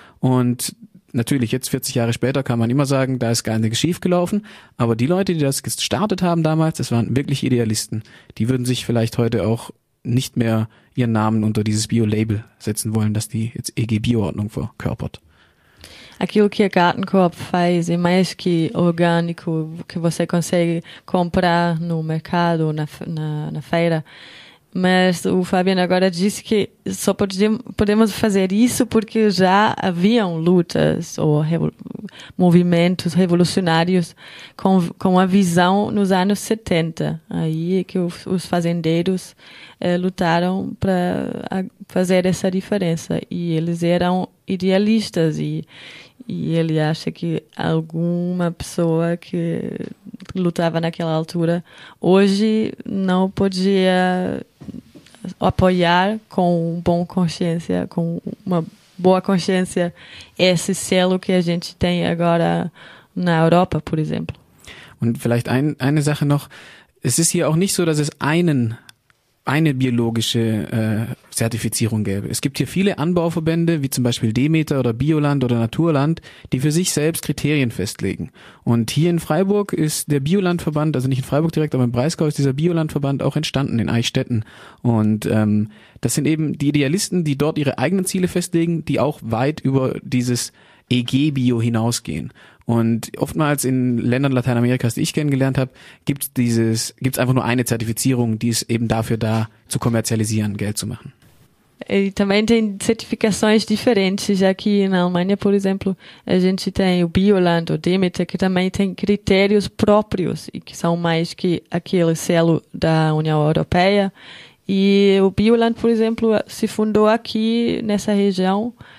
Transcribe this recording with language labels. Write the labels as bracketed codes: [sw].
[de] Und natürlich, jetzt 40 Jahre später, kann man immer sagen, da ist gar nichts schiefgelaufen. Aber die Leute, die das gestartet haben damals, das waren wirklich Idealisten. Die würden sich vielleicht heute auch nicht mehr ihren Namen unter dieses Bio-Label setzen wollen, das die jetzt EG-Bio-Ordnung verkörpert. [pt] Aquilo que a Gartenkorb faz é mais que orgânico, que você consegue comprar no mercado, na feira. Mas o Fabiano agora disse que só podemos fazer isso porque já haviam lutas ou movimentos revolucionários com a visão nos anos 70. Aí é que os fazendeiros lutaram para fazer essa diferença. E eles eram idealistas e ele acha que alguma pessoa que lutava naquela altura hoje não podia apoiar com bom consciência, com uma boa consciência esse selo que a gente tem agora na Europa, por exemplo. [de] Und vielleicht eine Sache noch. Es ist hier auch nicht so, dass es eine biologische Zertifizierung gäbe. Es gibt hier viele Anbauverbände, wie zum Beispiel Demeter oder Bioland oder Naturland, die für sich selbst Kriterien festlegen. Und hier in Freiburg ist der Biolandverband, also nicht in Freiburg direkt, aber im Breisgau ist dieser Biolandverband auch entstanden, in Eichstätten. Und das sind eben die Idealisten, die dort ihre eigenen Ziele festlegen, die auch weit über dieses EG-Bio hinausgehen. Und oftmals in Ländern Lateinamerikas, die ich kennengelernt habe, gibt's einfach nur eine Zertifizierung, die ist eben dafür da, zu kommerzialisieren, Geld zu machen. [pt] E também tem certificações diferentes, já que na Alemanha, por exemplo, a gente tem o Bioland, o Demeter, que também tem critérios próprios e que são mais que aquele selo da União Europeia. E o Bioland, por exemplo, se fundou aqui nessa região.